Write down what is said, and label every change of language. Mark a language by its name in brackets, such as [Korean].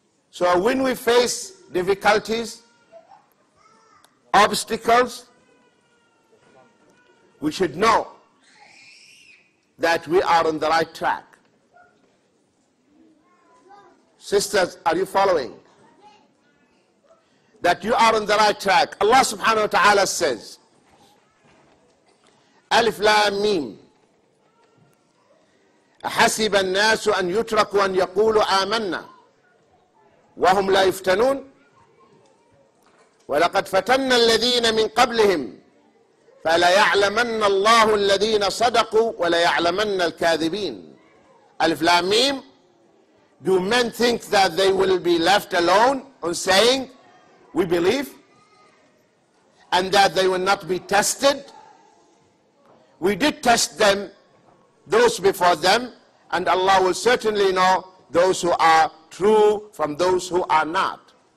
[English] So when we face difficulties, obstacles, we should know that we are on the right track. Sisters, are you following? That you are on the right track. Allah subhanahu wa ta'ala says, [Arabic] Alif Lam Mim, أحسب الناس أن يتركوا أن يقولوا آمنا وهم لا يفتنون ولقد فتنا الذين من قبلهم فليعلمن الله الذين صدقوا وليعلمن الكاذبين. ألف لام ميم. [English] Do men think that they will be left alone on saying, we believe, and that they will not be tested? We did test them, those before them, and Allah will certainly know those who are true from those who are not.